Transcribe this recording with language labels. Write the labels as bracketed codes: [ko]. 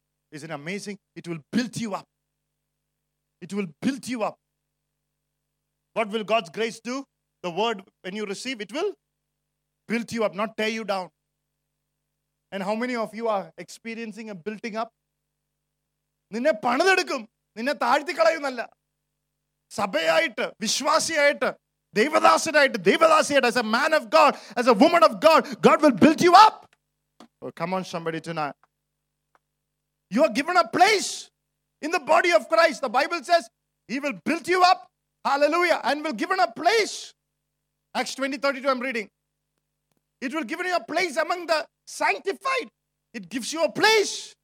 [en] Isn't it amazing? It will build you up. It will build you up. What will God's grace do? The word, when you receive, it will build you up, not tear you down. And how many of you are experiencing a building up? [ml] നിന്നെ പണിതെടുക്കും, നിന്നെ താഴ്ത്തി കളയുന്നല്ല. സഭയായിട്ട്, വിശ്വാസിയായിട്ട്, ദൈവദാസനായിട്ട്, ദൈവദാസിയായിട്ട്, [en] as a man of God, as a woman of God, God will build you up. Oh, come on somebody tonight. You are given a place in the body of Christ. The Bible says he will build you up. Hallelujah. And will given a place. Acts 20:32, I'm reading. It will give you a place among the sanctified. It gives you a place.